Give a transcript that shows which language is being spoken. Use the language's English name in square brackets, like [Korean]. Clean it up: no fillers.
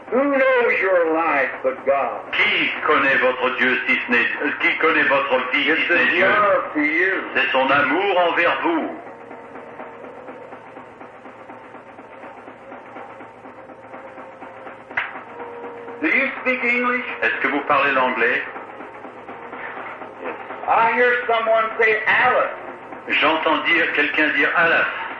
[English] Who knows your life but God? [French] Qui connaît votre Dieu si ce n'est qui connaît votre vie [English] It's [French] si ce n'est Dieu? C'est son amour envers vous. [English] Do you speak English? [French] Est-ce que vous parlez l'anglais? [English] I hear someone say Alice. [French] J'entends dire quelqu'un dire Alice.